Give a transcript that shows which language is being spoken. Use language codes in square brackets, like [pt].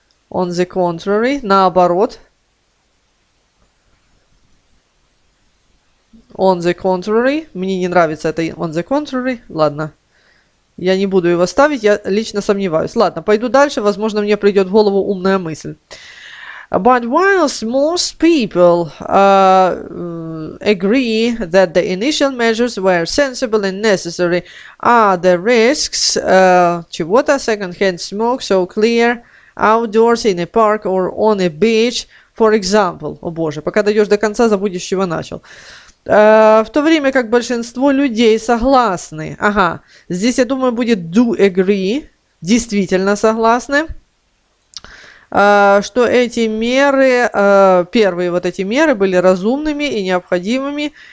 [en] On the contrary, [ru] наоборот. [en] On the contrary. [ru] Мне не нравится это [en] on the contrary. [ru] Ладно. Я не буду его ставить, я лично сомневаюсь. Ладно, пойду дальше, возможно, мне придет в голову умная мысль. [en] But whilst most people agree that the initial measures were sensible and necessary, are the risks [ru] чего-то [en] second-hand smoke so clear outdoors in a park or on a beach, for example. [ru] О боже, пока дойдешь до конца, забудешь, с чего начал. В то время как большинство людей согласны. Ага, здесь, я думаю, будет [en] do agree, [ru] действительно согласны, что эти меры, первые вот эти меры были разумными и необходимыми.